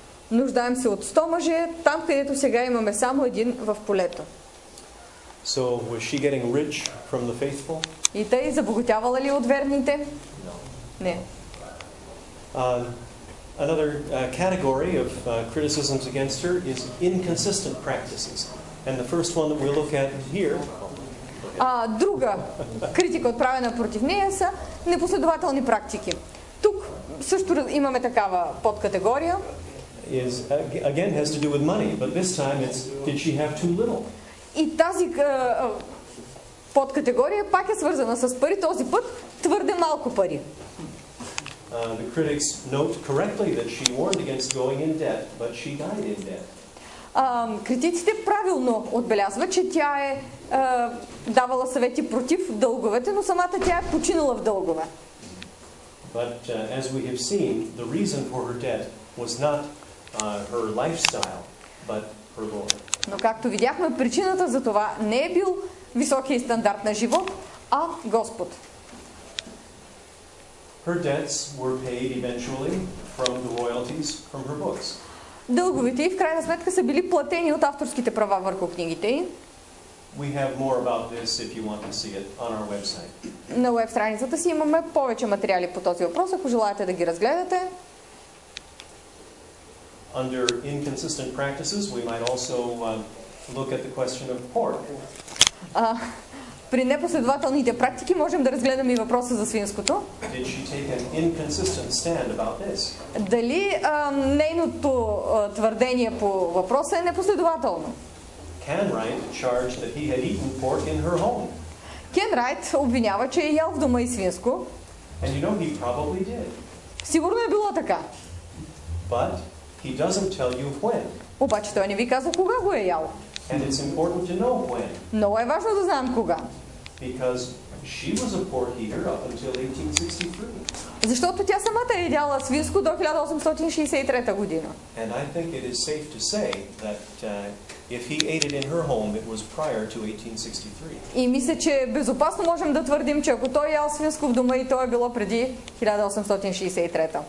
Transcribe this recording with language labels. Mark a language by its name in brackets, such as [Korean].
[Bulgarian] Нуждаем се от 100 мъже, там където сега имаме само един в полето. [English] So, was she getting rich from the faithful? [Bulgarian] И тъй забогатявала ли от верните? [English] No. [Bulgarian] Не. [English] Another category of criticisms against her is inconsistent practices. And the first one that we look at here... [Bulgarian] Друга критика, отправена против нея, са непоследователни практики. Тук също имаме такава подкатегория. [English] Is, again, has to do with money, but this time it's, did she have too little? [Bulgarian] И тази подкатегория пак е свързана с пари, този път твърде малко пари. [English] The critics note correctly that she warned against going in debt, but she died in debt. [Bulgarian] Критиците правилно отбелязват, че тя е давала съвети против дълговете, но самата тя е починала в дългове. [English] But as we have seen, the reason for her debt was not her lifestyle, but her Lord. [Bulgarian] Но както видяхме, причината за това не е бил високия стандарт на живот, а Господ. [English] Her debts were paid eventually from the royalties from her books. [Bulgarian] Дълговите и в крайна сметка са били платени от авторските права върху книгите й. [English] We have more about this if you want to see it on our website. [Bulgarian] На уеб-страницата си имаме повече материали по този въпрос, ако желаете да ги разгледате. [English] Under inconsistent practices, we might also look at the question of pork. [Bulgarian] При непоследователните практики можем да разгледаме и въпроса за свинското. [English] Did she take an inconsistent stand about this? [Bulgarian] Дали нейното твърдение по въпроса е непоследователно? [English] Ken Wright charged that he had eaten pork in her home. [Bulgarian] Ken Wright обвинява, че е ял в дома и свинско. [English] And you know, he probably did. [Bulgarian] Сигурно е било така. [English] But he He doesn't tell you when. [Bulgarian] Обаче той не ви казва кога го е ял. [English] And it's important to know when. [Bulgarian] Но е важно да знам кога. [English] Because she was a port heater up until 1863. [Bulgarian] Защото тя самата е ядяла свинско до 1863 година. [English] And I think it is safe to say that if he ate it in her home, it was prior to 1863. [Bulgarian] И мисля, че безопасно можем да твърдим, че ако той ял свинско в дома и то е било преди 1863.